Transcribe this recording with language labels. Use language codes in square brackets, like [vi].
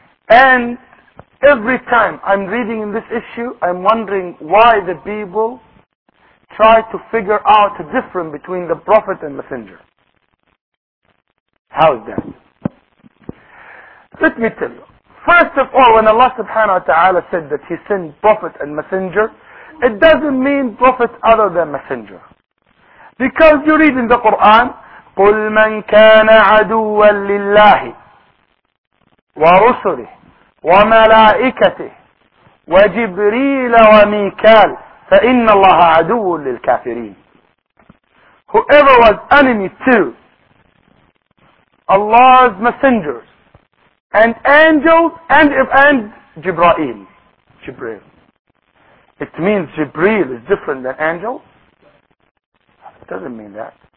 [en] And every time I'm reading in this issue, I'm wondering why the people try to figure out the difference between the prophet and messenger. How is that? Let me tell you. First of all, when Allah subhanahu wa ta'ala said that He sent prophet and messenger, it doesn't mean prophet other than messenger. Because you read in the Quran, [ar] قُلْ مَنْ كَانَ عَدُوًا لِلَّهِ وَرُسُلِهِ وَمَلَائِكَتِهِ وَجِبْرِيلَ وَمِيكَالِ فَإِنَّ اللَّهَ عَدُوٌ لِلْكَافِرِينَ. [en] Whoever was enemy to Allah's messengers and angels and Jibreel. Jibreel. It means Jibreel is different than angel. It doesn't mean that.